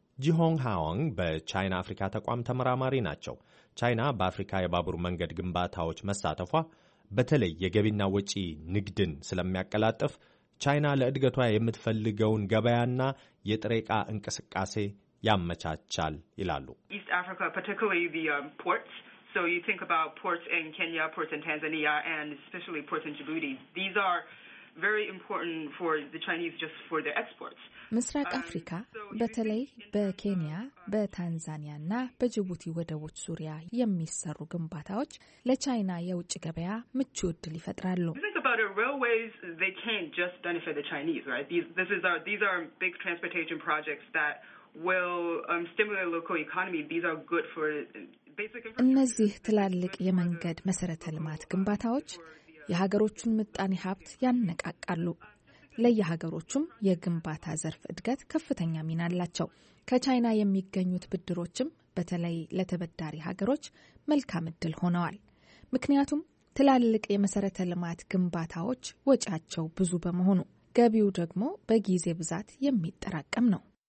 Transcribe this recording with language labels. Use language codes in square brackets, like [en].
[am] ጂሆንግ ሃዋንግ በቻይና አፍሪካ ተቋም ተመራማሪ ናቸው። ቻይና በአፍሪካ የባቡር መንገድ ግንባታዎች መሳተፏ በተለይ የገቢና ወጪ ንግድን ስለሚያቀላጥፍ ቻይና ለእድገቷ የምትፈልገውን ገበያና የጥሬ ዕቃ እንቅስቃሴ ያመቻቻል ይላሉ። [en] East Africa, particularly the ports. So you think about ports in Kenya, ports in Tanzania, and especially ports in Djibouti. These are very important for the Chinese just for their exports. [am] ምስራቅ አፍሪካ በተለይ በኬንያ፣ በታንዛኒያ እና በጅቡቲ ወደቦች ዙሪያ የሚሰሩ ግንባታዎች ለቻይና የውጭ ገበያ ምቹ እድል ይፈጥራሉ። [en] Railways, they can't just benefit the Chinese, right? These are big transportation projects that will stimulate local economy. These are good for basic. [am] እነዚህ ትላልቅ የመንገድ መሰረተ ልማት ግንባታዎች የሀገሮቹን ምጣኔ ሀብት ያነቃቃሉ። ለየሀገሮቹም የግንባታ ዘርፍ እድገት ከፍተኛ ሚና አላቸው። ከቻይና የሚገኙት ብድሮችም በተለይ ለተበዳሪ ሀገሮች መልካም እድል ሆነዋል። ምክንያቱም ትላልቅ የመሰረተ ልማት ግንባታዎች ወጪያቸው ብዙ በመሆኑ፣ ገቢው ደግሞ በጊዜ ብዛት የሚጠራቀም ነው።